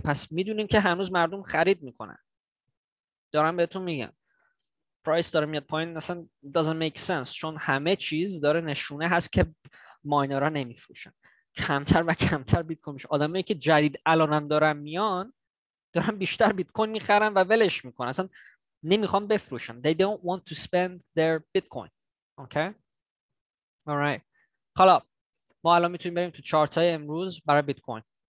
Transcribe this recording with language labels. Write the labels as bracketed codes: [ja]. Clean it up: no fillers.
[fa] پس میدونیم که هنوز مردم خرید میکنن. دارم بهتون میگم پرایس داره میاد پایین، اصلا [en] doesn't make sense، [fa] چون همه چیز داره نشونه هست که ماینرها نمیفروشن، کمتر و کمتر بیت کوین میشه. آدمایی که جدید الانم دارن میان دارن بیشتر بیت کوین میخرن و ولش میکنن، اصلا نمیخوان بفروشن. [en] They don't want to spend their bitcoin. Okay, alright. [fa] حالا ما الان میتونیم بریم تو چارت های امروز برای بیت کوین.